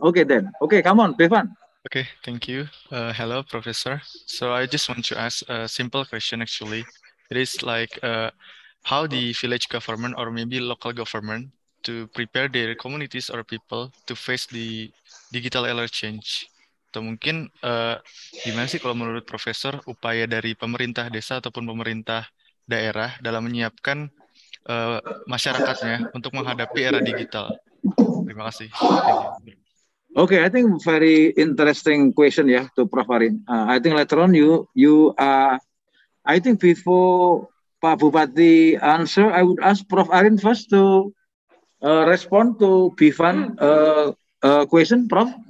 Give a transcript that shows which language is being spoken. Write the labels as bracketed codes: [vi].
[en] Okay, then. Okay, come on, Bevan. Okay, thank you. Hello, Professor. So I just want to ask a simple question, actually. It is like how the village government or maybe local government to prepare their communities or people to face the digital era change. [id] Atau mungkin gimana sih kalau menurut Profesor upaya dari pemerintah desa ataupun pemerintah daerah dalam menyiapkan masyarakatnya untuk menghadapi era digital. Terima kasih. [en] Oke, okay, I think very interesting question ya to Prof. Arin. I think later on you I think before Pak Bupati answer, I would ask Prof. Arin first to respond to Bivan question, Prof.